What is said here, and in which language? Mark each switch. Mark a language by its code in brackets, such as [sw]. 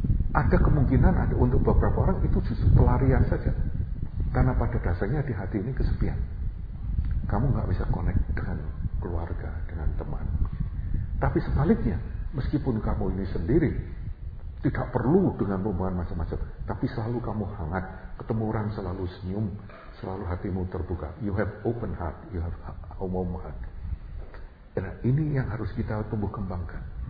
[id] Ada kemungkinan ada untuk beberapa orang itu justru pelarian saja karena pada dasarnya di hati ini kesepian. Kamu nggak bisa connect dengan keluarga dengan teman. Tapi sebaliknya, meskipun kamu ini sendiri, tidak perlu dengan rombongan macam-macam, tapi selalu kamu hangat, ketemu orang selalu senyum, selalu hatimu terbuka. [en] You have open heart, you have warm heart. [id] Nah, ini yang harus kita tumbuh kembangkan.